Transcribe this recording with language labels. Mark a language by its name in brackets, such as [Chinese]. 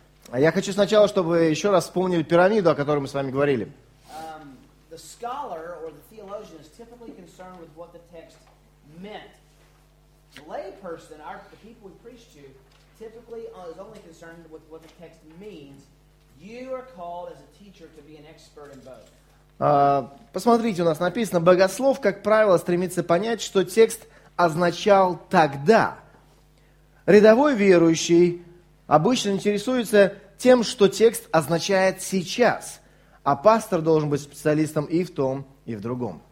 [Russian] А я хочу сначала, чтобы вы еще раз вспомнили пирамиду, о которой мы с вами говорили. [English] The scholar or the theologian is typically concerned with what the text meant. The layperson, the people we preach to, typically is only concerned with what the text means. You are called as a teacher to be an expert in both. [Russian] Посмотрите, у нас написано, богослов, как правило, стремится понять, что текст означал тогда. Рядовой верующий обычно интересуется тем, что текст означает сейчас, а пастор должен быть специалистом и в том, и в другом.